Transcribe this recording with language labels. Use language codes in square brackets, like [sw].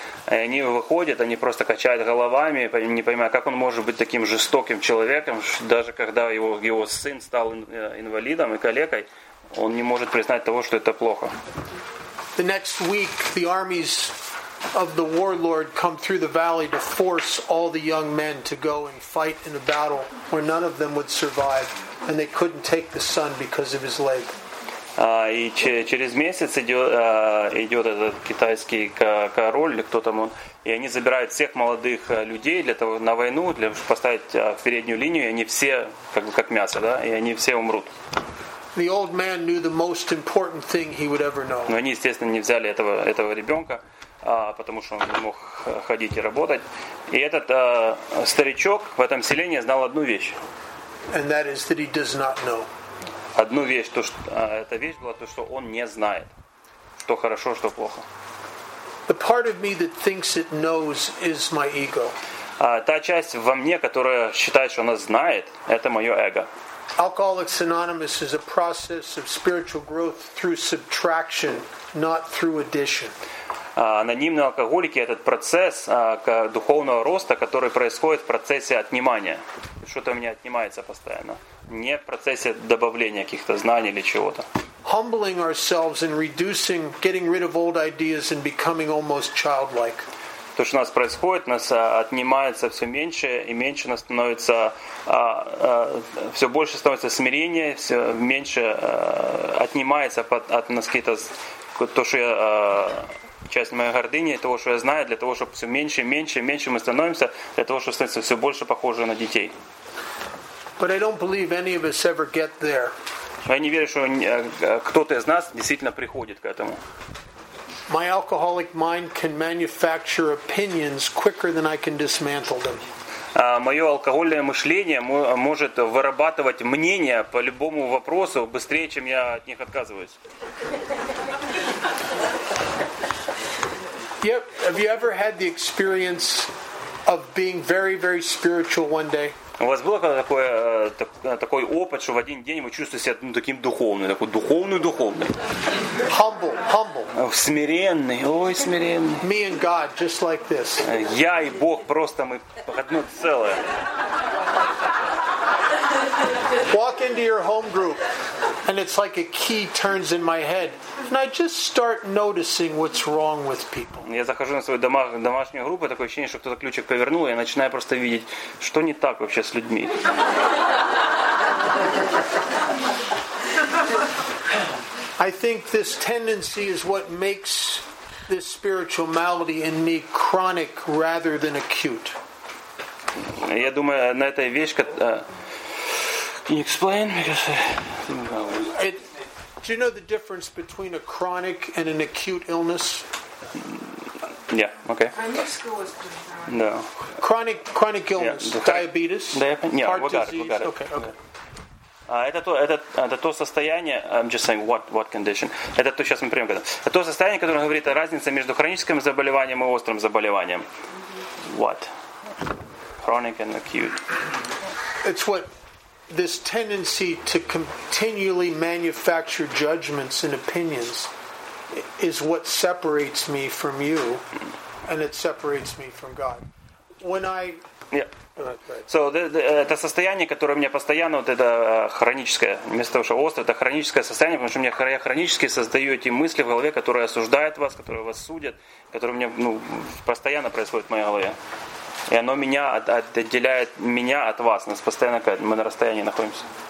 [ru] И они выходят, они просто качают головами, не понимая, как он может быть таким жестоким человеком, даже когда его сын стал инвалидом и калекой, он не может признать того, что это плохо. [en] The next week the armies of the warlord come through the valley to force all the young men to go and fight in a battle where none of them would survive, and they couldn't take the son because of his leg. [ru] И через месяц идет этот китайский король, или кто там он, и они забирают всех молодых людей для того на войну, для того, чтобы поставить в переднюю линию, и они все, как бы как мясо, да, и они все умрут. [en] The old man knew the most important thing he would ever know. [ru] Но они, естественно, не взяли этого ребенка, потому что он не мог ходить и работать. И этот старичок в этом селении знал одну вещь. [en] And that is that he does not know. [ru] одну вещь, то, что, эта вещь была то, что он не знает, что хорошо, что плохо. [en] The part of me that thinks it knows is my ego. [ru] Та часть во мне, которая считает, что она знает, это мое эго. [en] Alcoholics Anonymous is a process of spiritual growth through subtraction, not through addition. [ru] Анонимные алкоголики — этот процесс духовного роста, который происходит в процессе отнимания. Что-то у меня отнимается постоянно. Не в процессе добавления каких-то знаний или чего-то. [en] Humbling ourselves and reducing, getting rid of old ideas and becoming almost childlike. [ru] То, что у нас происходит, у нас отнимается все меньше и меньше, у нас становится все больше становится смирения, все меньше отнимается от нас какие-то то, что я часть моей гордыни, того, что я знаю, для того, чтобы все меньше, меньше, меньше мы становимся, для того, чтобы становиться все больше похожи на детей. [en] But I don't believe any of us ever get there. [ru] Я не верю, что кто-то из нас действительно приходит к этому. [en] My alcoholic mind can manufacture opinions quicker than I can dismantle them. [ru] Мое алкогольное мышление может вырабатывать мнения по любому вопросу быстрее, чем я от них отказываюсь. [en] Yep. Have you ever had the experience of being very, very spiritual one day? [ru] У вас было такой опыт, что в один день вы чувствуете себя таким духовным, такой духовный-духовный? [en] Humble, humble. [ru] Смиренный, ой, смиренный. [en] Me and God, just like this. [ru] Я и Бог, просто мы одно целое. [en] Walk into your home group, and it's like a key turns in my head, and I just start noticing what's wrong with people. [ru] Я захожу на свою домашнюю группу, такое ощущение, что кто-то ключик повернул, и я начинаю просто видеть, что не так вообще с людьми. [en] I think this tendency is what makes this spiritual malady in me chronic rather than acute. [ru] Я думаю, на этой вещь, [en] can you explain? Because do you know the difference between a chronic and an acute illness? Yeah. Okay. High no. Chronic illness. Yeah. Diabetes. Yeah. Heart disease. Got it. Okay. [ru] Это то состояние. [en] I'm just saying what condition. [ru] Это то, сейчас мы примем когда. Это состояние, которое говорит о разнице между хроническим заболеванием и острым заболеванием. [en] What? Chronic and acute. It's what. This tendency to continually manufacture judgments and opinions is what separates me from you, and it separates me from God. When I [ru] это состояние, которое у меня постоянно, вот это хроническое, вместо того, что острое, это хроническое состояние, потому что у меня я хронически создаю эти мысли в голове, которые осуждают вас, которые вас судят, которые у меня постоянно происходят в моей голове. И оно меня отделяет меня от вас. Нас постоянно мы на расстоянии находимся.